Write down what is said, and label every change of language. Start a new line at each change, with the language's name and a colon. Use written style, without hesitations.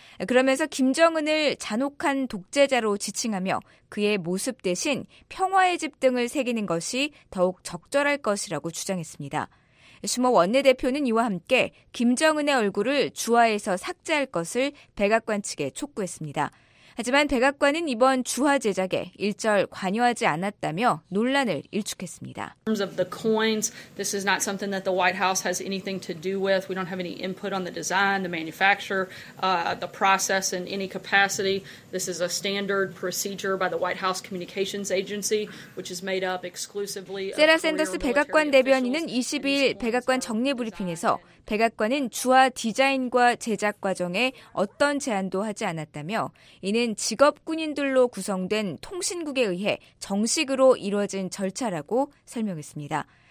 Korean: 그러면서 김정은을 잔혹한 독재자로 지칭하며 그의 모습 대신 평화의 집 등을 새기는 것이 더욱 적절할 것이라고 주장했습니다. 슈머 원내대표는 이와 함께 김정은의 얼굴을 주화에서 삭제할 것을 백악관 측에 촉구했습니다. 하지만 백악관은 이번 주화 제작에 일절 관여하지 않았다며 논란을 일축했습니다.
English: In terms of the coins, this is not something that the White House has anything to do with. We don't have any input on the design, the manufacture, the process in any capacity. This is a standard procedure by the White House Communications Agency, which is made up exclusively of.
Korean: 세라 샌더스 백악관 대변인은 22일 백악관 정례 브리핑에서 백악관은 주화 디자인과 제작 과정에 어떤 제안도 하지 않았다며 이는 직업 군인들로 구성된 통신국에 의해 정식으로 이루어진 절차라고 설명했습니다.